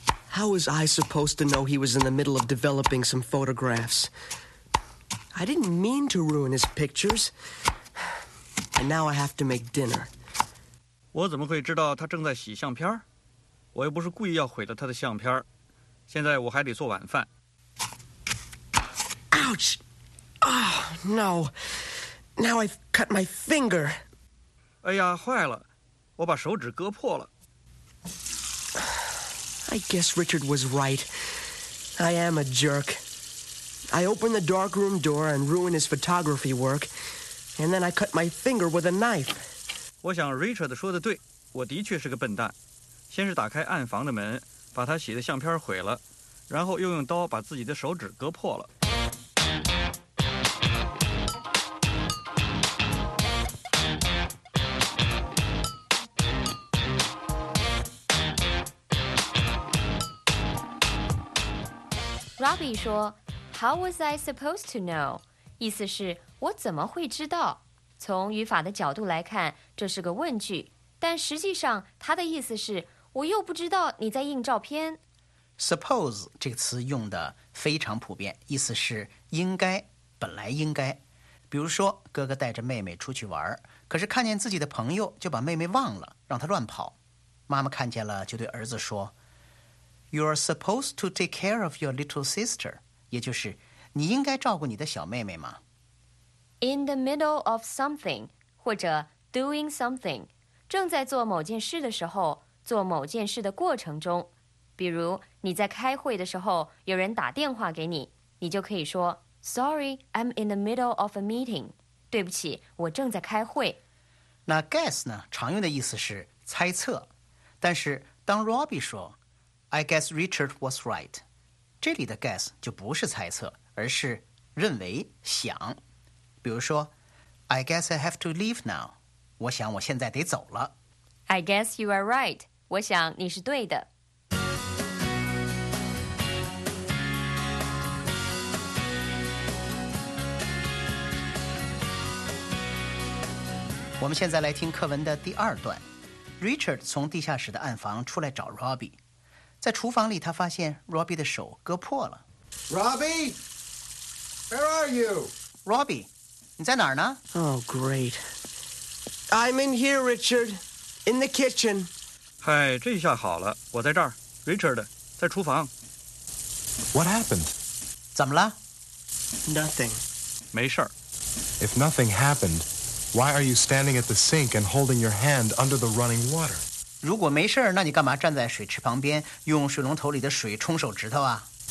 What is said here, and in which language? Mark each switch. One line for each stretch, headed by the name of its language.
English: How was I supposed to know he was in the middle of developing some photographs? I didn't mean to ruin his pictures. And now I have to make dinner.
Chinese: 我怎么会知道他正在洗相片？我又不是故意要毁了他的相片。现在我还得做晚饭。
English: Ouch! Oh, no! Now I've cut my finger!
Chinese: 哎呀，坏了，我把手指割破了。
English: I guess Richard was right. I am a jerk. I opened the darkroom door and ruined his photography work, and then I cut my finger with a knife.
Chinese: 我想 Richard 说的对，我的确是个笨蛋。先是打开暗房的门，把他洗的相片毁了，然后又用刀把自己的手指割破了。
English: Robbie
Chinese: 说
English: How was I supposed to know?
Chinese: 意思是我怎么会知道？从语法的角度来看，这是个问句，但实际上它的意思是我又不知道你在印照片。 Suppose 这个词用的非常普遍，意思是应该，本来应该。比如说哥哥带着妹妹出去玩，可是看见自己的朋友就把妹妹忘了，让她乱跑。妈妈看见了就对儿子说
English: You are supposed to take care of your little sister.
Chinese: 也就是你应该照顾你的小妹妹吗
English: In the middle of something,
Chinese: 或者
English: doing something,
Chinese: 正在做某件事的时候，做某件事的过程中。比如你在开会的时候，有人打电话给你，你就可以说
English: Sorry, I'm in the middle of a meeting.
Chinese: 对不起，我正在开会。那 guess 呢，常用的意思是猜测。但是当
English: Robbie
Chinese: 说
English: I guess Richard was right.
Chinese: 这里的 guess 就不是猜测，而是认为、想。比如说
English: ，I guess I have to leave now.
Chinese: 我想我现在得走了。
English: I guess you are right.
Chinese: 我想你是对的。我们现在来听课文的第二段。Richard 从地下室的暗房出来找 Robbie。在厨房里他发现 Robbie 的手割破了。
English: Robbie! Where are you?
Chinese: Robbie, 你在哪儿呢
English: Oh, great. I'm in here, Richard. In the kitchen.
Chinese: 嗨，这下好了，我在这儿。 Richard, 在厨房。
English: What happened?
Chinese: 怎么了
English: Nothing.
Chinese: 没事儿。
English: If nothing happened, why are you standing at the sink and holding your hand under the running water?
Chinese: 如果没事儿，那你干嘛站在水池旁边用水龙头里的水冲手指头啊